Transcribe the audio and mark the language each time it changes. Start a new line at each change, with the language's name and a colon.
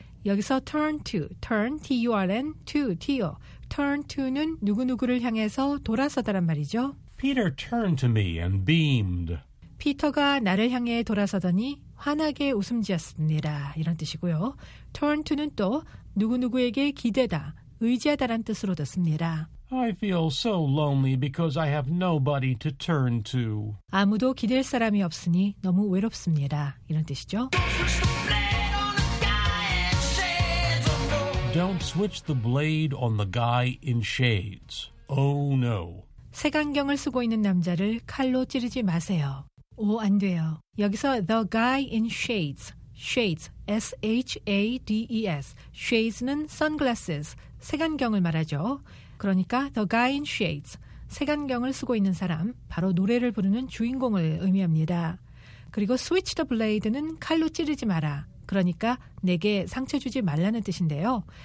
Korean: 여기서
English: turn to, turn, T-U-R-N, to, T-O.
Korean: Turn to는 누구누구를 향해서 돌아서다란 말이죠.
English: Peter turned to me and beamed.
Korean: 피터가 나를 향해 돌아서더니 환하게 웃음 지었습니다. 이런 뜻이고요. Turn to는 또 누구누구에게 기대다, 의지하다란 뜻으로도 씁니다.
English: I feel so lonely because I have nobody to turn to.
Korean: 아무도 기댈 사람이 없으니 너무 외롭습니다. 이런 뜻이죠.
English: Don't switch the blade on the guy in shades. Oh no.
Korean: 색안경을 쓰고 있는 남자를 칼로 찌르지 마세요. 오, 안 돼요. 여기서
English: the guy in shades. Shades, S-H-A-D-E-S.
Korean: Shades는 sunglasses, 색안경을 말하죠. 그러니까
English: the guy in shades,
Korean: 색안경을 쓰고 있는 사람, 바로 노래를 부르는 주인공을 의미합니다. 그리고
English: switch the blade
Korean: 는 칼로 찌르지 마라. 그러니까 내게 상처 주지 말라는 뜻인데요.